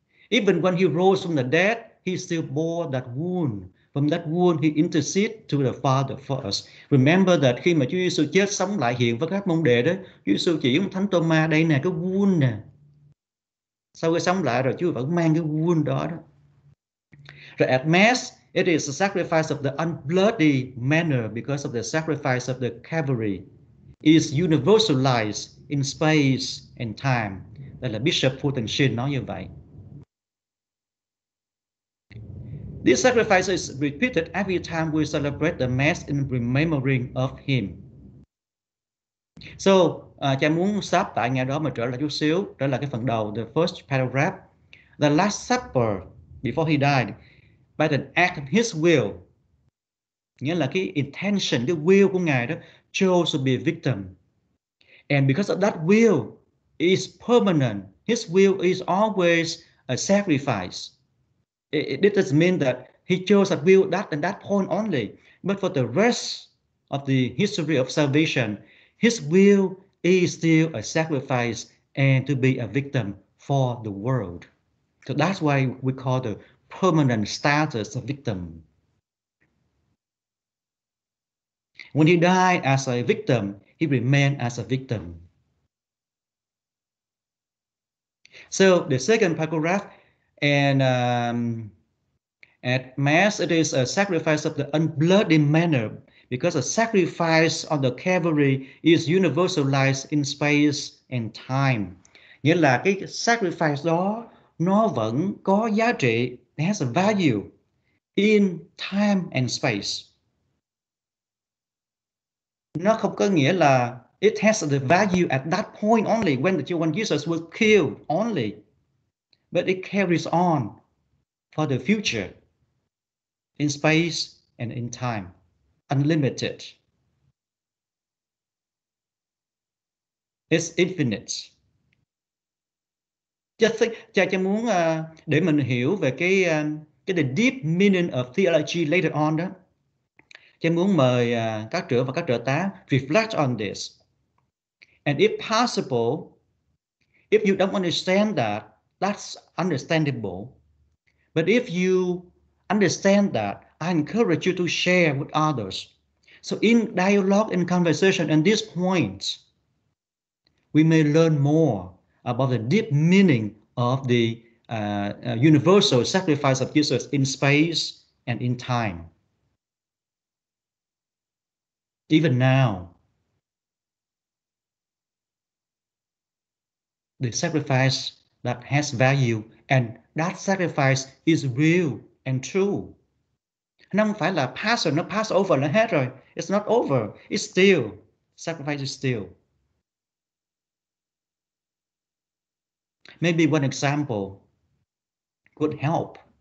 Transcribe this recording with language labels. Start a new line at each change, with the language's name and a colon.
English: Even when he rose from the dead, he still bore that wound. From that wound, he intercedes to the Father for us. Remember that
Vietnamese: khi mà Chúa Giêsu chết sống lại hiện với các môn đệ đó, Chúa Giêsu chỉ ông Thánh Tôma đây nè, cái wound nè. Sau khi sống lại rồi, Chúa vẫn mang cái wound đó đó.
English: Rồi at Mass, it is a sacrifice of the unbloody manner because of the sacrifice of the Calvary. Is universalized in space and time.
Vietnamese: Đây là Bishop Fulton Sheen nói như vậy.
English: This sacrifice is repeated every time we celebrate the Mass in remembering of him.
Vietnamese: So, cha muốn stop tại ngay đó mà trở lại chút xíu. Đó là cái phần đầu,
English: the first paragraph. The Last Supper, before he died, by the act of his will.
Vietnamese: Nghĩa là cái intention, cái will của Ngài đó,
English: chose to be a victim. And because of that will is permanent, his will is always a sacrifice. It doesn't mean that he chose that will that and that point only, but for the rest of the history of salvation, his will is still a sacrifice and to be a victim for the world. So that's why we call the permanent status of victim. When he died as a victim, he remained as a victim. So the second paragraph, and at Mass, it is a sacrifice of the unbloody manner because a sacrifice on the Calvary is universalized in space and time.
Vietnamese: Nghĩa là cái sacrifice đó, nó vẫn có giá trị,
English: it has a value in time and space.
Vietnamese: Nó không có nghĩa là
English: it has the value at that point only when the children Jesus was killed only, but it carries on for the future in space and in time, unlimited. It's infinite. Just think,
Vietnamese: cha muốn để mình hiểu về cái
English: the deep meaning of theology later on đó.
Vietnamese: Cha muốn mời các trưởng và các trợ tá
English: reflect on this. And if possible, if you don't understand that, that's understandable. But if you understand that, I encourage you to share with others. So in dialogue and conversation at this point, we may learn more about the deep meaning of the universal sacrifice of Jesus in space and in time. Even now, the sacrifice that has value and that sacrifice is real and true.
Vietnamese: Nó không phải là pass rồi, nó pass over, nó hết rồi.
English: It's not over. It's still. Sacrifice is still. Maybe one example could help.